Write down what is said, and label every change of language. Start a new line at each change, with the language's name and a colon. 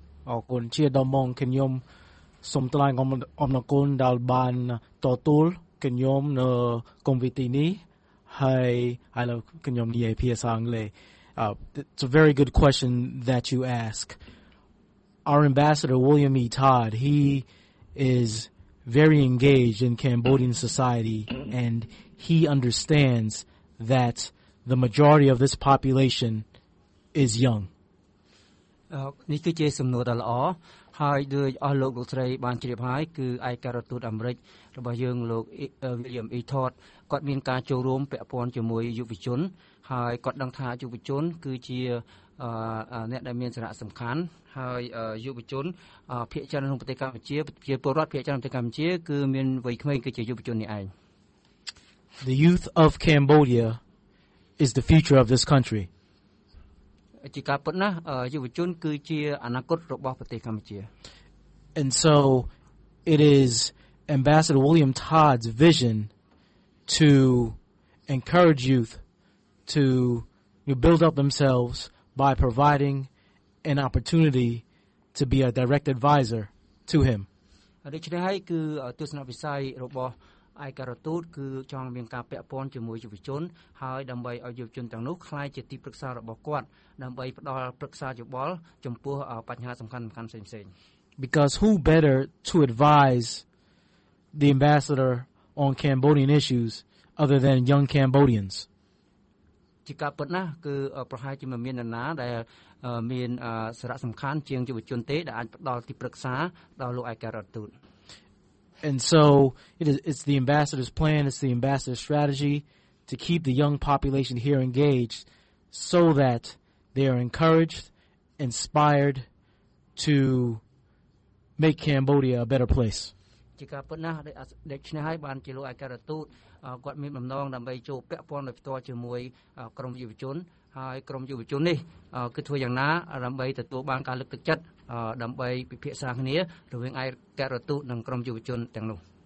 Khmer: អរគុណជាដំបូងខ្ញុំសូមថ្លែងអំណរគុណដល់បានទទួលខ្ញុំនៅកម្មវិធីនេះហើយហើយខ្ញុំនិយាយភាសាអង់គ្លេស
English: It's a very good question that you ask. Our Ambassador, William E. Todd, he is... very engaged in Cambodian society, and he understands that the majority of this population is young.
Khmer: នេះគឺជាសំណួរដ៏ល្អហើយដោយអស់លោកលោកស្រីបានជ្រាបហើយគឺឯកការទូតអាមេរិករបស់យើងលោក William E. Todd គាត់មានការចូលរួមពាក់ព័ន្ធជាមួយយុវជនហើយគាត់ដឹងថាយុវជនគឺជាអ្នកដែលមានសារៈសំខាន់ហើយយុវជនភាគច្រើនក្នុងប្រទេសកម្ពុជាជាពលរដ្ឋភាគច្រើនប្រទេសកម្ពុជាគឺមានវ័យក្មេងគឺជាយុវជននេះឯង
English: The youth of Cambodia is the future of this country
Khmer: ជាការពិតណាស់យុវជនគឺជាអនាគតរបស់ប្រទេសកម្ពុជា
English: And so it is Ambassador William Todd's vision to encourage youth to build up themselvesby providing an opportunity to be a direct advisor to him
Khmer: ដូច្នេះហើយគឺទស្សនវិស័យរបស់ឯកការទូតគឺចង់មានការពាក់ព័ន្ធជាមួយយុវជនហើយដើម្បីឲ្យយុវជនទាំងនោះក្លាយជាទីប្រឹក្សារបស់គាត់ដើម្បីផ្ដល់ប្រឹក្សាយោបល់ចំពោះបញ្ហាសំខាន់ៗផ្សេង
English: ៗ because who better to advise the ambassador on Cambodian issues other than young Cambodians?
Khmer: ជាការពិតណាស់គឺប្រហែលជាមានអ្នកណាដែលមានសារៈសំខាន់ជាងយុវជនទេដែលអាចផ្ដល់ទីប្រឹក្សាដល់លោកឯករដ្ឋទូត
English: And so it's the ambassador's plan, it's the ambassador's strategy to keep the young population here engaged so that they are encouraged, inspired to make Cambodia a better place.
Khmer: ជាការពិតណាស់ដូច្នេះហើយបានជាលោកឯករដ្ឋទូតគាត់មានបំណងដើម្បីចូលពាក់ព័ន្ធដោយផ្ទាល់ជាមួយក្រមយុវជនហើយក្រមយុវជននេះគឺធ្វើយ៉ាងណាដើម្បីទទួលបានការលើកទឹកចិត្តដើម្បីពិភាក្សាគ្នារវាងឯករដ្ឋទូតនិងក្រមយុវជនទាំងនោះ